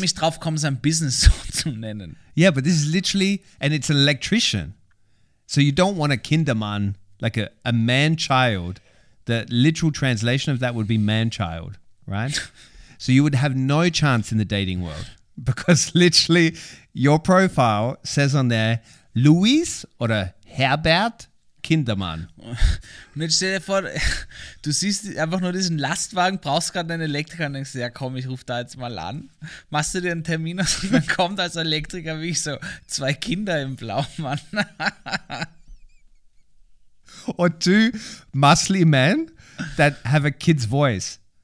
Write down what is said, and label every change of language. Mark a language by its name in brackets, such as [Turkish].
[German] nämlich drauf kommen, sein Business so zu nennen? [English] Yeah, but this is literally, and it's an electrician. So you don't want a Kindermann, like a man-child. The literal translation of that would be man-child, right? So you would have no chance in the dating world. Because literally, your profile says on there, Louis oder Herbert Kindermann. [German] Und jetzt stell dir vor, du siehst einfach nur diesen Lastwagen, brauchst gerade einen Elektriker und denkst, ja komm, ich rufe da jetzt mal an. Machst du dir einen Termin aus und dann kommt als Elektriker wie ich so zwei Kinder im Blaumann. [English] Or two muscly men that have a kid's voice.